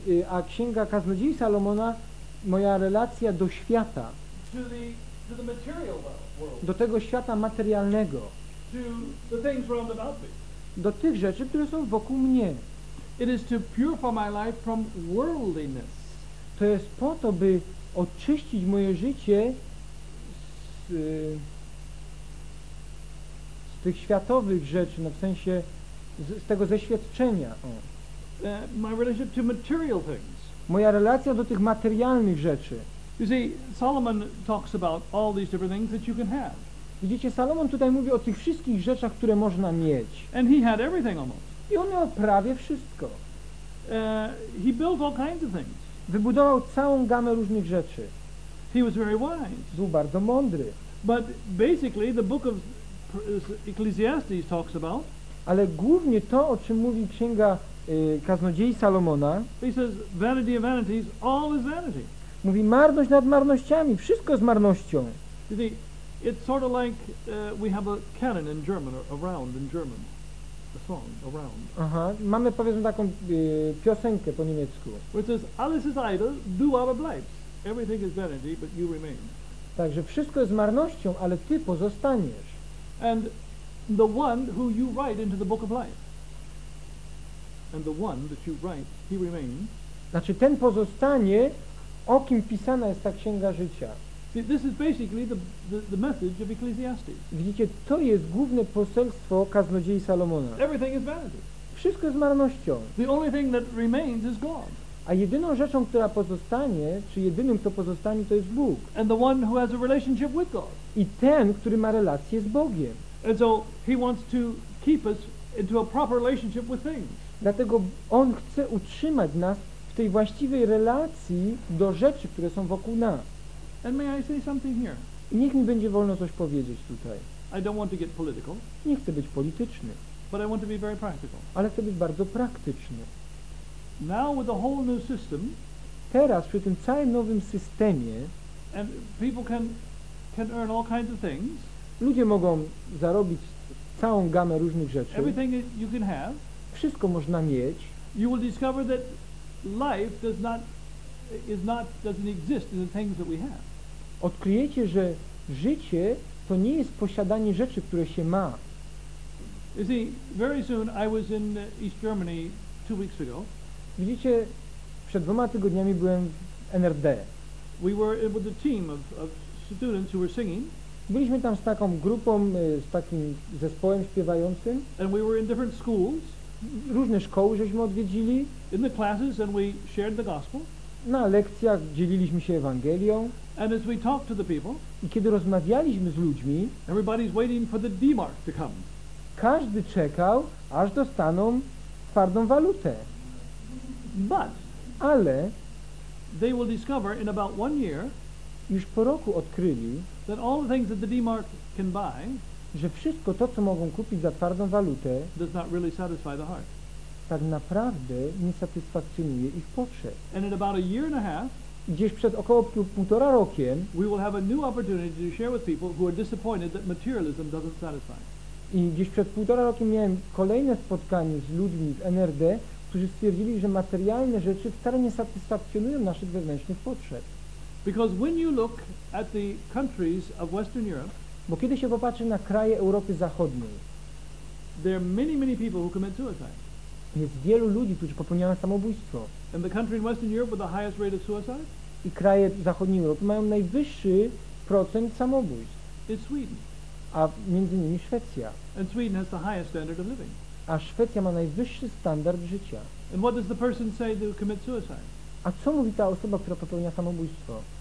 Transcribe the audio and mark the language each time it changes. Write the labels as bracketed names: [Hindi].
[Polish] A księga kaznodziei Salomona, moja relacja do świata, [English] to the material world. [Polish] Do tego świata materialnego, [English] to the things round about me. [Polish] Do tych rzeczy, które są wokół mnie. [English] It is to purify my life from worldliness. [Polish] To jest po to, by oczyścić moje życie z tych światowych rzeczy, no w sensie z tego zeświadczenia. O. [English] My relationship to material things. [Polish] Moja relacja do tych materialnych rzeczy. [English] You see, Solomon talks about all these different things that you can have. [Polish] Widzicie, Salomon tutaj mówi o tych wszystkich rzeczach, które można mieć. [English] And he had everything almost. [Polish] I on miał prawie wszystko. [English] He built all kinds of things. [Polish] Wybudował całą gamę różnych rzeczy. [English] He was very wise. [Polish] Był bardzo mądry. [English] But basically the book of Ecclesiastes talks about. [Polish] Ale głównie to, o czym mówi księga kaznodziei Salomona. [English] He says, vanity of vanities, all is vanity. [Polish] Mówi, marność nad marnościami, wszystko jest marnością. [English] It's sort of like we have a canon in German, around in German, a song around. [Polish] Aha, mamy powiedzmy taką piosenkę po niemiecku. [English] Which says, [German] alles ist eitel, du aber bleibst. [English] Everything is vanity, but you remain. [Polish] Także wszystko jest marnością, ale ty pozostaniesz. [English] And the one who you write into the book of life. And the one that you write, he remains. [Polish] Znaczy ten pozostanie, o kim pisana jest ta księga życia. [English] This is basically the message of Ecclesiastes. [Polish] Widzicie, to jest główne poselstwo kaznodziei Salomona. [English] Everything is vanity. [Polish] Wszystko jest marnością. [English] The only thing that remains is God. [Polish] A jedyną rzeczą, która pozostanie, czy jedynym, kto pozostanie, to jest Bóg. [English] And the one who has a relationship with God. [Polish] I ten, który ma relację z Bogiem. [English] And so he wants to keep us into a proper relationship with things. [Polish] Dlatego on chce utrzymać nas w tej właściwej relacji do rzeczy, które są wokół nas. [English] And may I say something here? [Polish] I niech mi będzie wolno coś powiedzieć tutaj. [English] I don't want to get political. [Polish] Nie chcę być polityczny. [English] But I want to be very practical. [Polish] Ale chcę być bardzo praktyczny. [English] Now with the whole new system. [Polish] Teraz przy tym całym nowym systemie. [English] And people can earn all kinds of things. [Polish] Ludzie mogą zarobić całą gamę różnych rzeczy. [English] Everything you can have. [Polish] Wszystko można mieć. [English] You will discover that life does not. Is not, doesn't exist in the things that we have. [Polish] Odkryjecie, że życie to nie jest posiadanie rzeczy, które się ma. [English] You see, very soon I was in East Germany 2 weeks ago. [Polish] Widzicie, przed 2 tygodniami byłem w NRD. [English] We were with the team of students who were singing. [Polish] Byliśmy tam z taką grupą, z takim zespołem śpiewającym. [English] And we were in different schools. [Polish] Różne szkoły żeśmy odwiedzili. [English] In the classes and we shared the gospel. [Polish] Na lekcjach dzieliliśmy się Ewangelią. [English] And as we talk to the people, [Polish] i kiedy rozmawialiśmy z ludźmi, [English] everybody's waiting for the D-mark to come. [Polish] Każdy czekał, aż dostaną twardą walutę. [English] But [Polish] ale [English] they will discover in about 1 year, [Polish] już po roku odkryli, [English] that all the things that the D-mark can buy, [Polish] że wszystko to, co mogą kupić za twardą walutę, [English] does not really satisfy the heart. [Polish] Tak naprawdę nie satysfakcjonuje ich potrzeb. [English] And in about a year and a half, [Polish] gdzieś przed około 1,5 rokiem, [English] we will have a new opportunity to share with people who are disappointed that materialism doesn't satisfy. [Polish] I gdzieś przed 1,5 rokiem miałem kolejne spotkanie z ludźmi w NRD, którzy stwierdzili, że materialne rzeczy wcale nie satysfakcjonują naszych wewnętrznych potrzeb. [English] Because when you look at the countries of Western Europe, [Polish] bo kiedy się popatrzy na kraje Europy Zachodniej, [English] there are many, many people who commit suicide. [Polish] Jest wielu ludzi, którzy popełniają samobójstwo. [English] And the country in Western Europe with the highest rate of suicide? [Polish] i kraje zachodniej Europy mają najwyższy procent samobójstw. [English] It's Sweden. [Polish] A między nimi Szwecja. [English] And Sweden has the highest standard of living. [Polish] A Szwecja ma najwyższy standard życia. [English] And what does the person say to commit suicide? [Polish] A co mówi ta osoba, która popełnia samobójstwo?